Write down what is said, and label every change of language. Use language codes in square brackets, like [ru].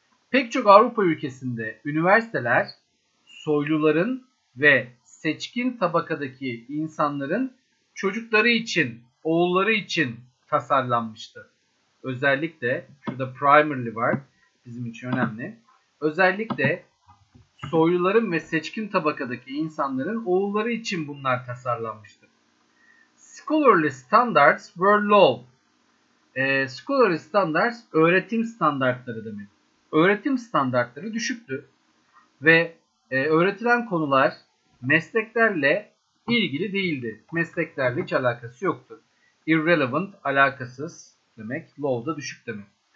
[tr] Pek çok Avrupa ülkesinde üniversiteler soyluların ve seçkin tabakadaki insanların çocukları için, oğulları için tasarlanmıştı. Özellikle şurada primarily var. Bizim için önemli. Özellikle soyluların ve seçkin tabakadaki insanların oğulları için bunlar tasarlanmıştı. [en] Scholarly standards were low. Scholarly standards [tr] öğretim standartları demek. Öğretim standartları düşüktü. Ve öğretilen konular mesleklerle ilgili değildi. Mesleklerle hiç alakası yoktu. Irrelevant, alakasız demek, low da düşük demek.